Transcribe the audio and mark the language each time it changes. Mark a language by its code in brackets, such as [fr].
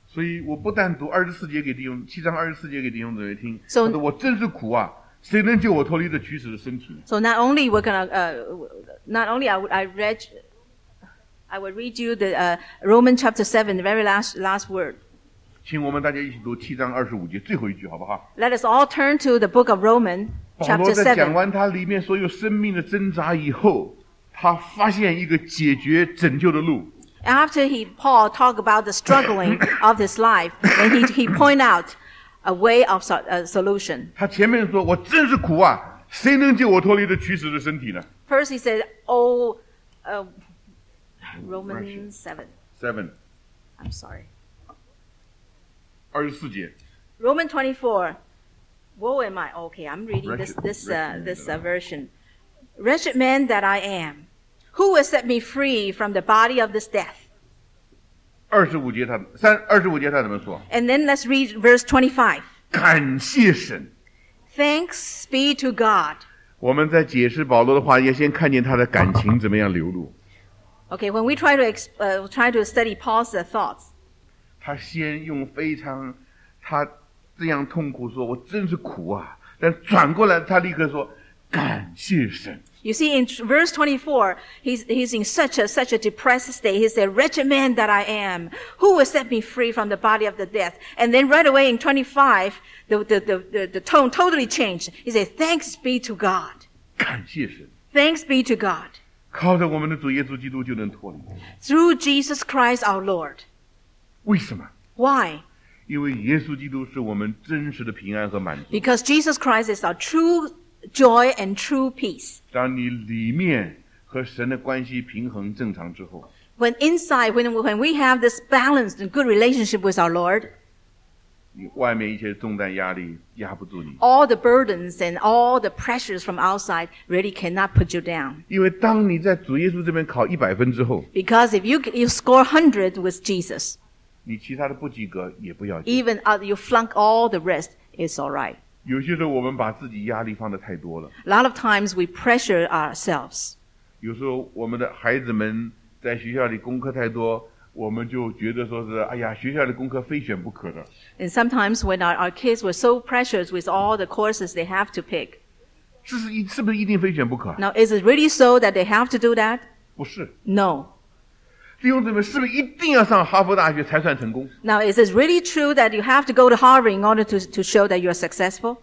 [zh] 所以我不但读二十四节给弟兄，七章二十四节给弟兄姊妹听。 So, 我真是苦啊，谁能救我脱离这取死的身体？ [en] So not only we're gonna, not only I would read you the, Romans chapter 7, the very last word. [zh] 请我们大家一起读七章二十五节最后一句好不好？ [en] Let us all turn to the book of Romans chapter 7. [zh] 保罗在讲完他里面所有生命的挣扎以后，他发现一个解决拯救的路。 [en] After Paul talked about the struggling of his life, and he pointed out a way of a solution. [zh] 他前面说，我真是苦啊，谁能救我脱离这取死的身体呢？ [en] First he said, oh, Romans 7. I'm sorry. [zh] 24节。 [en] Romans 24. Woe am I? Okay, I'm reading this version. Wretched man that I am. Who will set me free from the body of this death? [zh] 25节他怎么说? [en] And then let's read verse 25. [zh] 感谢神。 [en] Thanks be to God. [zh] 我们在解释保罗的话，也先看见他的感情怎么样流露。 [en] Okay, when we try to study Paul's thoughts. [zh] 他先用非常，他这样痛苦说，我真是苦啊。但转过来他立刻说，感谢神。 [en] You see, in verse 24, he's in such a depressed state. He said, wretched man that I am, who will set me free from the body of the death? And then right away in 25, the tone totally changed. He said, thanks be to God. [zh] 感谢神。 [en] Thanks be to God. [zh] 靠着我们的主耶稣基督就能脱离。 [en] Through Jesus Christ our Lord. [zh] 为什么? [en] Why? [zh] 因为耶稣基督是我们真实的平安和满足。 [en] Because Jesus Christ is our true joy and true peace. [zh] 当你里面和神的关系平衡正常之后， [en] when inside, when we have this balanced and good relationship with our Lord, [zh] 你外面一些重担压力压不住你， [en] all the burdens and all the pressures from outside really cannot put you down. [zh] 因为当你在主耶稣这边考一百分之后， [en] because if you score 100 with Jesus, [zh] 你其他的不及格也不要紧， [en] even you flunk all the rest, it's all right. [zh] 有些时候我们把自己压力放得太多了。 [en] A lot of times we pressure ourselves. [zh] 有时候我们的孩子们在学校里功课太多，我们就觉得说是，哎呀，学校的功课非选不可的。 [en] And sometimes when our kids were so pressured with all the courses they have to pick. [zh] 是不是一定非选不可？ [en] Now, is it really so that they have to do that? [zh] 不是。 [en] No. [zh] 弟兄姊妹，是不是一定要上哈佛大学才算成功？ [en] Now, is it really true that you have to go to Harvard in order to show that you are successful?